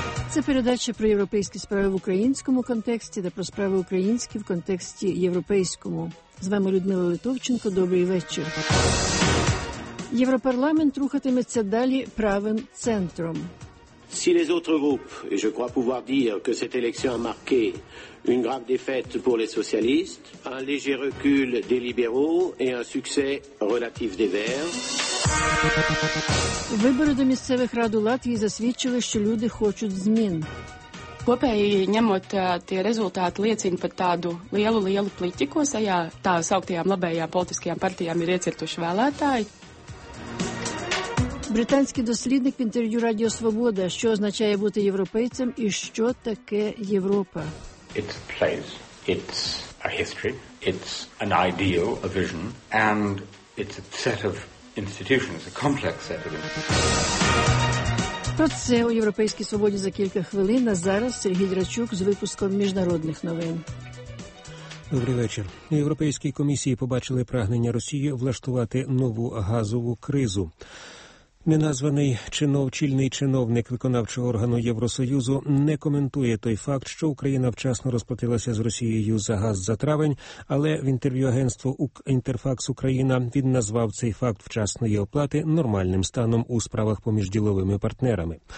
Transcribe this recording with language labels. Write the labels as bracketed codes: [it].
[uk] Це передача про європейські справи в українському контексті та про справи українські в контексті європейському. З вами Людмила Литовченко. Добрий вечір. Європарламент рухатиметься далі правим центром. [fr] Si les autres groupes, et je crois pouvoir dire que cette élection a marqué une grave défaite pour les socialistes, un léger recul des libéraux et un succès relatif des Verts. [uk] Вибори до місцевих рад у Латвії засвідчили, що люди хочуть змін. [lv] Kopēji ņemot tie rezultāti liecina par tādu lielu pliķi, ko šajā tā sauktajām labējām politiskajām partijām ir iecirtuši vēlētāji. [uk] Британський дослідник в інтерв'ю Радіо Свобода, що означає бути європейцем і що таке Європа. [en] It's a place, it's a history, it's an ideal, a vision, and it's a set of institutions, a complex set of institutions. [uk] Про це у Європейській Свободі за кілька хвилин, а зараз Сергій Драчук з випуском міжнародних новин. Добрий вечір. У Європейській комісії побачили прагнення Росії влаштувати нову газову кризу. Неназваний чиновчільний чиновник виконавчого органу Євросоюзу не коментує той факт, що Україна вчасно розплатилася з Росією за газ за травень, але в інтерв'ю агентству «Інтерфакс Україна» він назвав цей факт вчасної оплати нормальним станом у справах поміж діловими партнерами.